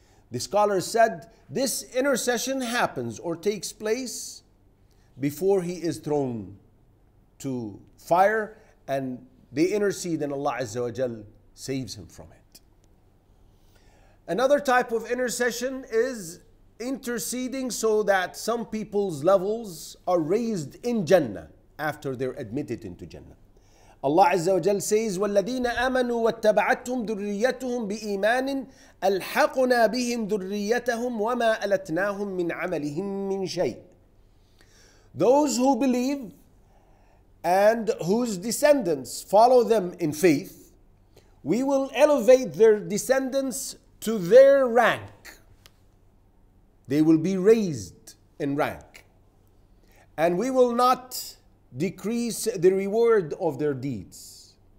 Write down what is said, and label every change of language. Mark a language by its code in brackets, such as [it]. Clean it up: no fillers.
[en] The scholar said, this intercession happens or takes place before he is thrown to fire, and they intercede and Allah Azza wa Jal saves him from it. Another type of intercession is interceding so that some people's levels are raised in Jannah after they're admitted into Jannah. Allah Azza wa Jal says, [ar] وَالَّذِينَ آمَنُوا وَاتَّبَعَتْهُمْ ذُرِّيَّتُهُمْ بِإِيمَانٍ أَلْحَقُنَا بِهِمْ ذُرِّيَّتَهُمْ وَمَا أَلَتْنَاهُمْ مِنْ عَمَلِهِمْ مِنْ شَيْءٍ. [en] Those who believe and whose descendants follow them in faith, we will elevate their descendants to their rank. They will be raised in rank. And we will not decrease the reward of their deeds.